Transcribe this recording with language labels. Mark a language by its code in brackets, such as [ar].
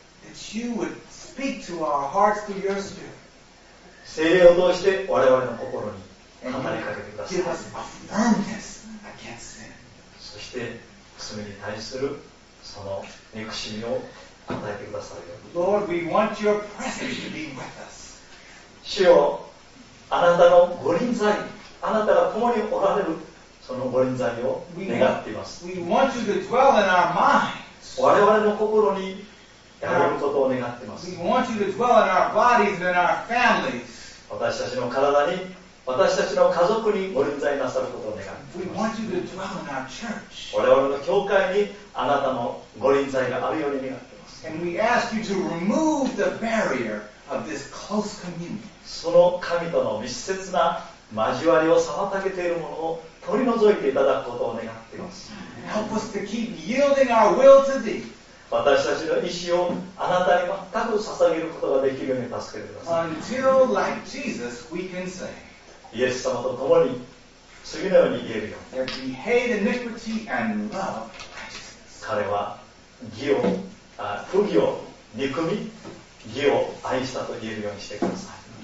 [en] that you would speak to our hearts through your spirit, [ja] 聖霊を通して我々の心に語りかけてください。 [en] Give us a firmness against sin. [ja] そして罪に対するその憎しみを与えてくださるように。 [en] Lord, we want your presence to be with us. [ja] 主よ、あなたの御臨在、あなたが共におられるその御臨在を願っています。 [en] we want you to dwell in our minds. [ja] 我々の心に宿ることを願っています。 [en] we want you to dwell in our bodies and our families. [ja] 私たちの体に、私たちの家族に御臨在なさることを願っています。 [en] we want you to dwell in our church. [ja] 我々の教会にあなたの御臨在があるように願っています。 [en] And we ask you to remove the barrier of this close communion. [ja] その神との密接な交わりを妨げているものを取り除いていただくことを願っています。 [en] Help us to keep yielding our will to thee. [ja] 私たちの意思をあなたに全く捧げることができるように助けてください。 [en] Until like Jesus, we can say, [ja] イエス様と共に次のように言えるよ。 [en] That we hate iniquity and love righteousness. [ja] 彼は義を不義を憎み、義を愛したと言えるようにしてください。